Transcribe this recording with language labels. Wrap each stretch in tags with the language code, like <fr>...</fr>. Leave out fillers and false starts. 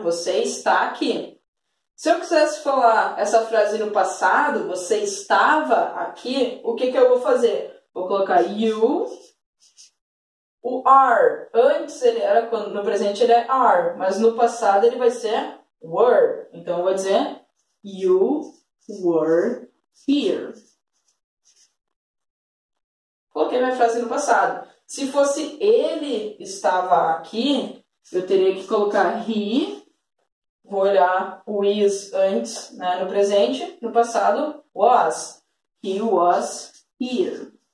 <pt>Você está aqui. Se eu quisesse falar essa frase no passado, você estava aqui, o que que eu vou fazer? Vou colocar you. O are, antes ele era, quando no presente ele é are, mas no passado ele vai ser were. Então eu vou dizer</pt> <en>you were here.</en> <pt>Coloquei minha frase no passado. Se fosse ele estava aqui, eu teria que colocar he. Vou olhar o is antes, né, no presente. No passado,</pt> <en>was. He was here.</en>